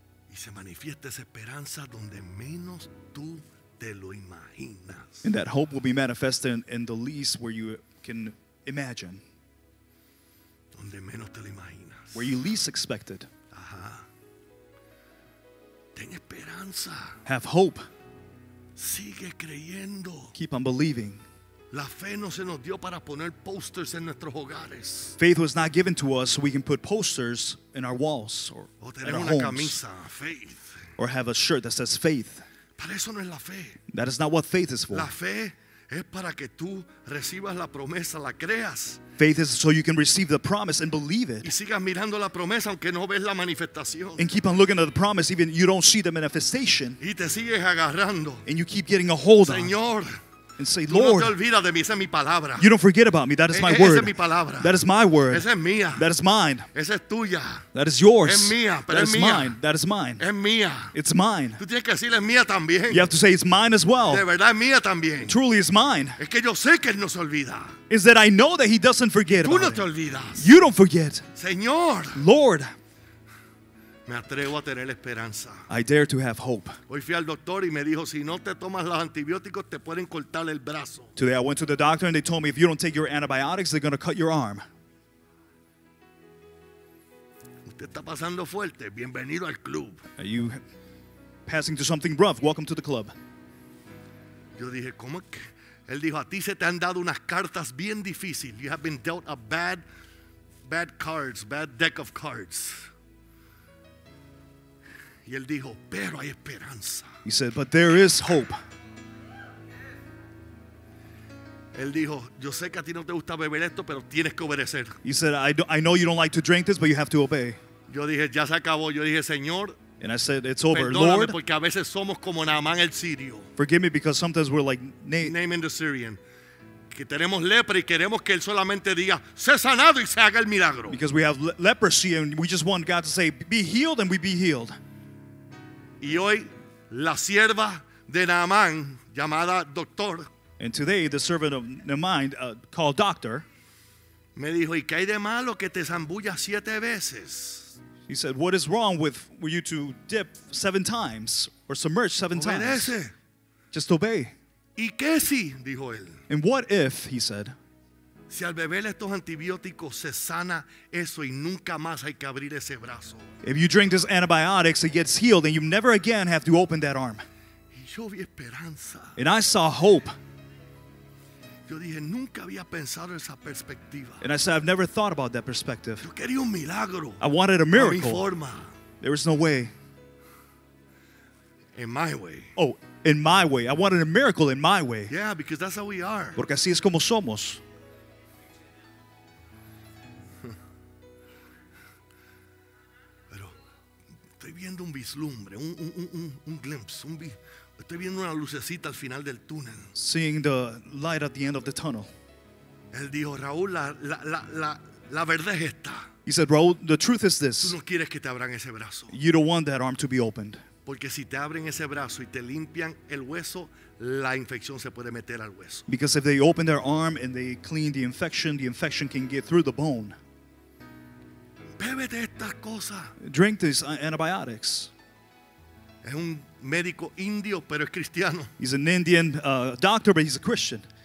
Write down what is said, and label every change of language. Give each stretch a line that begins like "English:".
Spanish: Y se manifiesta esa esperanza donde menos tú te lo imaginas.
English: And that hope will be manifested in the least where you can imagine.
Spanish: Donde menos te lo imaginas.
English: Where you least expect it.
Spanish: Ajá. Ten esperanza.
English: Have hope.
Spanish: Sigue creyendo.
English: Keep on believing.
Spanish: La fe no se nos dio para poner posters en nuestros hogares.
English: Faith was not given to us so we can put posters in our walls or at our
Spanish: una
English: homes.
Spanish: Camisa, faith.
English: Or have a shirt that says faith.
Spanish: Para eso no es la fe.
English: That is not what faith is for.
Spanish: La fe es para que tú recibas la promesa, la creas.
English: Faith is so you can receive the promise and believe it.
Spanish: Y sigas mirando la promesa aunque no ves la manifestación.
English: And keep on looking at the promise even you don't see the manifestation.
Spanish: Y te sigues agarrando.
English: And you keep getting a hold on.
Spanish: Señor.
English: And say, Lord,
Spanish: no te olvidas de mí, esa es mi palabra.
English: You don't forget about me. That is my
Spanish: esa
English: word.
Spanish: Es mi palabra.
English: That is my word.
Spanish: Esa es mía.
English: That is mine.
Spanish: Esa es tuya.
English: That is yours.
Spanish: Es mía, pero
English: that
Spanish: es
English: is
Spanish: mía.
English: Mine. That is mine.
Spanish: Es mía.
English: It's mine.
Spanish: Tú tienes que decirle, es mía también.
English: You have to say it's mine as well.
Spanish: De verdad, es mía también.
English: Truly it's mine.
Spanish: Es que yo sé que él no se olvida.
English: Is that I know that he doesn't forget.
Spanish: Tú no
English: about
Spanish: te olvidas.
English: You don't forget.
Spanish: Señor.
English: Lord.
Spanish: Me atrevo a tener esperanza.
English: I dare to have hope.
Spanish: Hoy fui al doctor y me dijo, si no te tomas los antibióticos, te pueden cortar el brazo.
English: Today I went to the doctor and they told me, if you don't take your antibiotics, they're going to cut your arm.
Spanish: Usted está pasando fuerte, bienvenido al club.
English: Are you passing through something rough? Welcome to the club.
Spanish: Yo dije, ¿cómo? Él dijo, a ti se te han dado unas cartas bien difíciles.
English: You have been dealt a bad cards, bad deck of cards.
Spanish: Y él dijo, pero hay esperanza.
English: He said, but there is hope.
Spanish: Él dijo, yo sé que a ti no te gusta beber esto, pero tienes que obedecer.
English: He said, I know you don't like to drink this, but you have to obey.
Spanish: Yo dije, ya se acabó. Yo dije, Señor.
English: And I said, it's over, Lord.
Spanish: Porque a veces somos como Naamán el Sirio.
English: Forgive me because sometimes we're like Naaman the Syrian.
Spanish: Que tenemos lepra y queremos que él solamente diga, sé sanado y se haga el milagro.
English: Because we have leprosy and we just want God to say, be healed and we be healed.
Spanish: Y hoy, la sierva de Naamán, llamada doctor.
English: And today, the servant of Naamán, called doctor.
Spanish: Me dijo, ¿y qué hay de malo que te zambullas siete veces?
English: He said, what is wrong with you to dip seven times or submerge seven
Spanish: Obedece.
English: Times? Just obey.
Spanish: ¿Y qué si? Dijo él.
English: And what if, he said,
Spanish: si al beber estos antibióticos se sana eso y nunca más hay que abrir ese brazo.
English: If you drink this antibiotics, it gets healed and you never again have to open that arm.
Spanish: Y yo vi esperanza.
English: And I saw hope.
Spanish: Yo dije, nunca había pensado esa perspectiva.
English: And I said, I've never thought about that perspective.
Spanish: Yo quería un milagro.
English: I wanted a miracle.
Spanish: A mi forma.
English: There was no way. In my way. Oh, in my way. I wanted a miracle in my way. Yeah, because that's how we are.
Spanish: Porque así es como somos. Pero estoy viendo un vislumbre, un glimpse, un vislumbre. Estoy viendo una lucecita al final del túnel.
English: Seeing the light at the end of the tunnel.
Spanish: Él dijo, Raúl, la verdad es esta.
English: He said, Raúl, the truth is this.
Spanish: Tú no quieres que te abran ese brazo.
English: You don't want that arm to be opened.
Spanish: Porque si te abren ese brazo y te limpian el hueso, la infección se puede meter al hueso.
English: Because if they open their arm and they clean the infection can get through the bone.
Spanish: Bébete esta cosa.
English: Drink these antibiotics.
Spanish: Es un médico indio, pero es cristiano.
English: He's an Indian doctor, but he's a Christian.